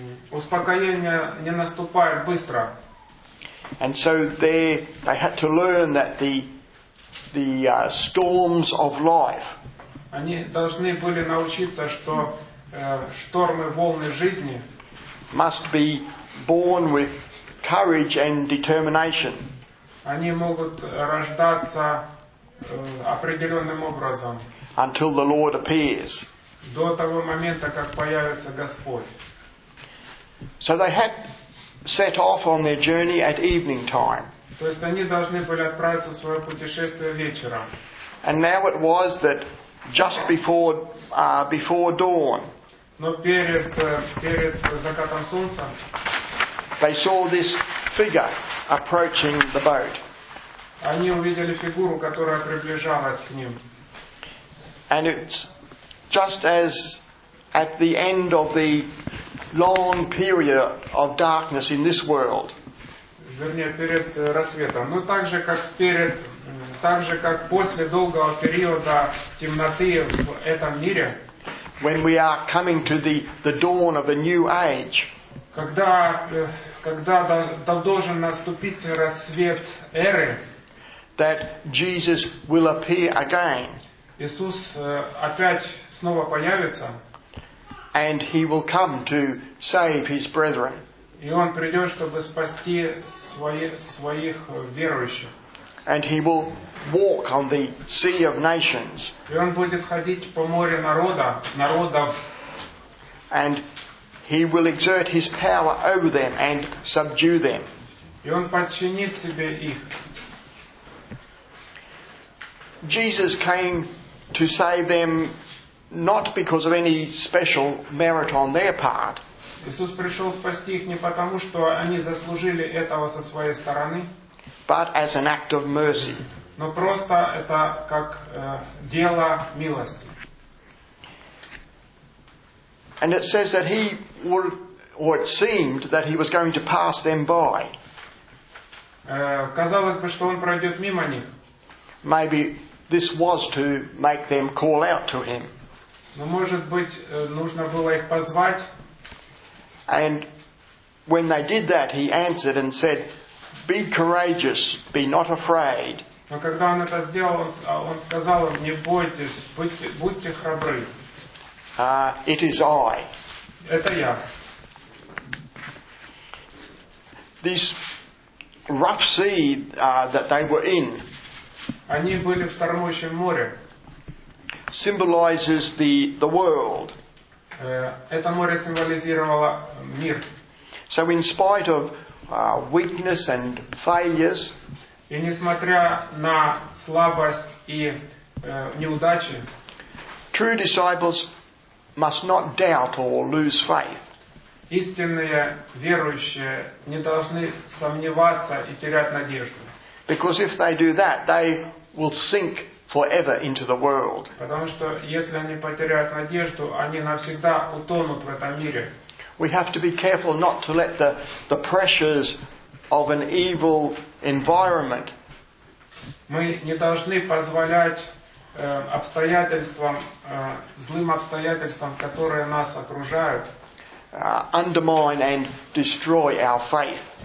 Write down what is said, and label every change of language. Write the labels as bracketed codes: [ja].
[ru] Успокоение не наступает быстро. [en] And so they had to learn that the storms of life. [ru] Они должны были научиться, что штормы, волны жизни. [en] Must be born with courage and determination. [ru] Они могут рождаться определенным образом. [en] Until the Lord appears. [ru] До того момента, как появится Господь. [en] So they had set off on their journey at evening time. [ru] То есть они должны были отправиться в свое путешествие вечером. [en] And now it was that just before dawn. [ru] Но перед закатом солнца [en] they saw this figure approaching the boat. [ru] Они увидели фигуру, которая приближалась к ним. [en] And it's just as at the end of the long period of darkness in this world. [ru] Вернее, перед рассветом. Ну, так же как после долгого периода темноты в этом мире. [en] When we are coming to the dawn of a new age, [ru] когда должен наступить рассвет эры, [en] that Jesus will appear again. [ru] Иисус опять снова появится. [en] And he will come to save his brethren. [ru] И он придет, чтобы спасти своих верующих. [en] And he will walk on the sea of nations. [ru] И он будет ходить по морю народов. [en] And he will exert his power over them and subdue them. [ru] И он подчинит себе их. [en] Jesus came to save them not because of any special merit on their part. [ru] Иисус пришел спасти их не потому, что они заслужили этого со своей стороны. [en] But as an act of mercy. [ru] Но просто это как дело милости. [en] And it says that he would, or it seemed that he was going to pass them by. [ru] Казалось бы, что он пройдет мимо них. [en] Maybe this was to make them call out to him. [ru] Но может быть нужно было их позвать. [en] And when they did that, he answered and said, "Be courageous, be not afraid." [ru] Но когда он это сделал, он сказал им: "Не бойтесь, будьте храбры." [en] It is I. [ru] Это я. [en] This rough sea that they were in. [ru] Они были в штормящем море. [en] Symbolizes the world. [ru] Это море символизировало мир. [en] So in spite of weakness and failures. [ru] И несмотря на слабость и неудачи. [en] True disciples must not doubt or lose faith. [ru] Истинные верующие не должны сомневаться и терять надежду. [en] Because if they do that, they will sink forever into the world. [ru] Потому что если они потеряют надежду, они навсегда утонут в этом мире. [en] We have to be careful not to let the pressures of an evil environment. [ru] Мы не должны позволять обстоятельствам, злым обстоятельствам, которые нас окружают, [en] undermine and destroy our faith.